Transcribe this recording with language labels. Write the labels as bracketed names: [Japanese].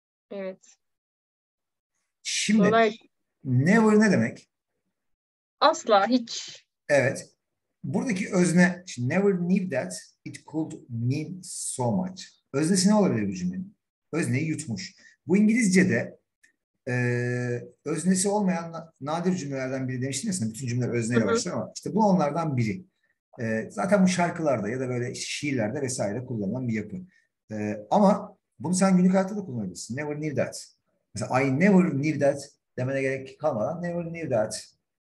[Turkish] Evet. Şimdi never ne demek? Asla, hiç. Evet. Buradaki özne, [English] never knew that it could mean so much. [Turkish] Öznesi ne olabilir bu cümlenin? Özneyi yutmuş. Bu İngilizce'de öznesi olmayan nadir cümlelerden biri demiştim ya sana. Bütün cümleler özneyle başlar ama işte bu onlardan biri. Zaten bu şarkılarda ya da böyle şiirlerde vesaire kullanılan bir yapı. Ama bunu sen günlük hayatta da kullanabilirsin. [English] Never need that. [Turkish] Mesela [English] I never need that [Turkish] demene gerek kalmadan [English] never need that.